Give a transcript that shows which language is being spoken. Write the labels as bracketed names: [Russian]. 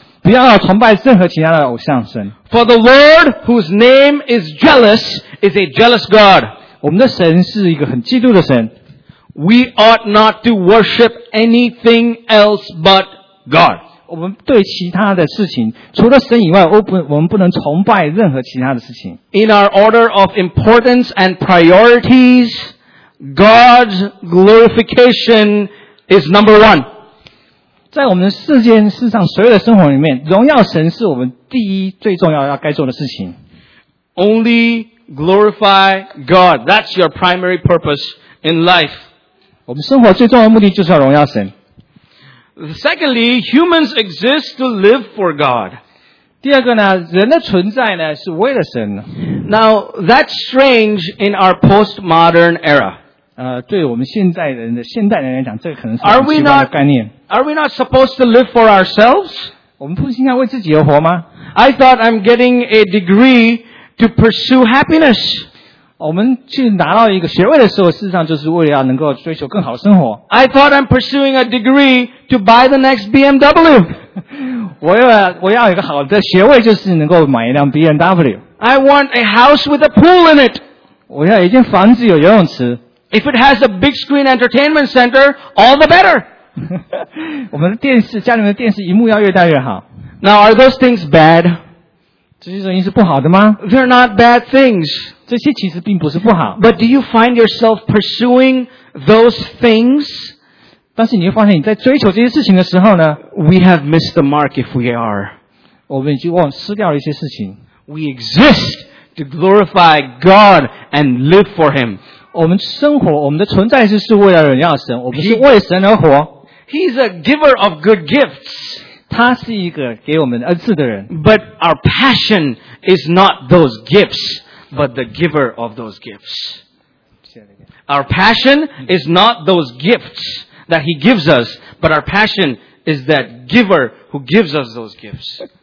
[Chinese] 不要崇拜任何其他的偶像神。 [English] For the Lord whose name is jealous is a jealous God. [Chinese] 我们的神是一个很嫉妒的神。 [English] We ought not to worship anything else but God. [Chinese] 我们对其他的事情，除了神以外，我们不能崇拜任何其他的事情。 [English] In our order of importance and priorities, God's glorification is number one. [Chinese] 在我们世间世上所有的生活里面，荣耀神是我们第一最重要要该做的事情。 [English] Only glorify God. That's your primary purpose in life. [Chinese] 我们生活最重要的目的就是要荣耀神。 [English] Secondly, humans exist to live for God. [Chinese] 第二个呢，人的存在呢是为了神。 [English] Now, that's strange in our postmodern era. [Chinese] 对我们现代人的现代人来讲，这个可能是很奇怪的概念。 [English] Are we not supposed to live for ourselves? [Chinese] 我们不是应该为自己而活吗？ [English] I thought I'm getting a degree to pursue happiness. [Chinese] 我们去拿到一个学位的时候，事实上就是为了要能够追求更好的生活。 [English] I thought I'm pursuing a degree to buy the next BMW. [Chinese] 我要一个好的学位，就是能够买一辆 BMW. [English] I want a house with a pool in it. [Chinese] 我要一间房子有游泳池。 [English] If it has a big screen entertainment center, all the better. [Chinese] 我们的电视，家里面的电视荧幕要越大越好。 [English] Now, are those things bad? [Chinese] 这些东西是不好的吗？ [English] They're not bad things. [Chinese] 这些其实并不是不好。 [English] But do you find yourself pursuing those things? [Chinese] 但是你会发现你在追求这些事情的时候呢？ [English] We have missed the mark if we are. [Chinese] 我们已经忘失掉了一些事情。 [English] We exist to glorify God and live for Him. [Chinese] 我们生活，我们的存在是为了荣耀神，我们是为神而活。 [English] He's a giver of good gifts. [Chinese] 他是一个给我们恩赐的人。 [English] But our passion is not those gifts, but the giver of those gifts. Our passion is not those gifts that he gives us, but our passion is that giver who gives us those gifts.